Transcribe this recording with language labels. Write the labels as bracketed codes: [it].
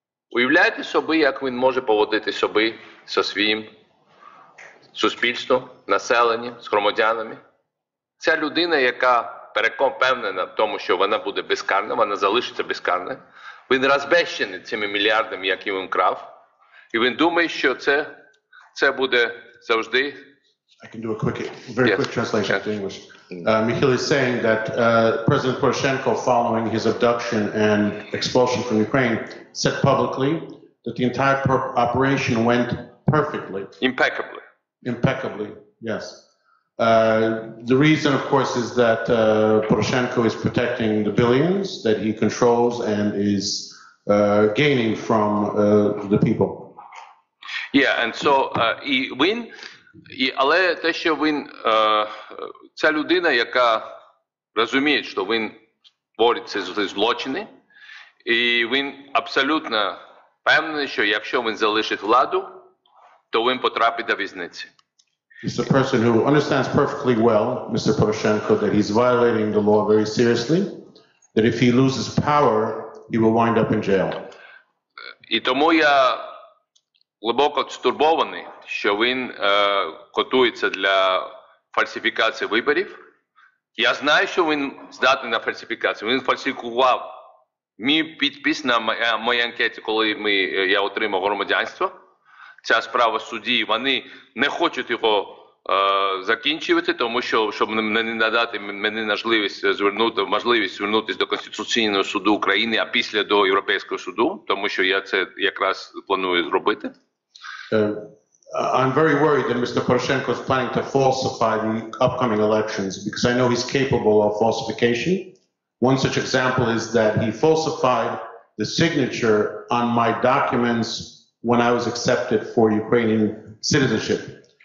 [uk] Уявляєте собі, як він може поводити собі зі своїм суспільством, населенням, з громадянами? Ця людина, яка переконана в тому, що вона буде безкарна, вона залишиться безкарна, він розбещений цими мільярдами, які він крав, і він думає, що це буде завжди. [en] I can do a quick, very yes. quick translation yes. to English. Mikhail is saying that President Poroshenko, following his abduction and expulsion from Ukraine, said publicly that the entire operation went perfectly. Impeccably. Impeccably, yes. The reason, of course, is that Poroshenko is protecting the billions that he controls and is gaining from the people. Yeah, and so he win. [uk] І, але те, що він, ця людина, яка розуміє, що він твориться зі злочини, і він абсолютно впевнений, що якщо він залишить владу, то він потрапить до в'язниці. [en] He's a person who understands perfectly well, Mr. Poroshenko, that he's violating the law very seriously, that if he loses power, he will wind up in jail. [uk] І тому я глибоко стурбований, що він готується для фальсифікації виборів. Я знаю, що він здатний на фальсифікацію. Він фальсифікував мій підпис на моїй анкеті, коли я отримав громадянство. Ця справа судді, вони не хочуть його закінчувати, тому що, щоб не надати мені можливість звернутися до Конституційного суду України, а після до Європейського суду, тому що я це якраз планую зробити. [en] I'm very worried that Mr. Poroshenko is planning to falsify the upcoming elections because I know he's capable of falsification. One such example is that he falsified the signature on my documents when I was accepted for Ukrainian citizenship.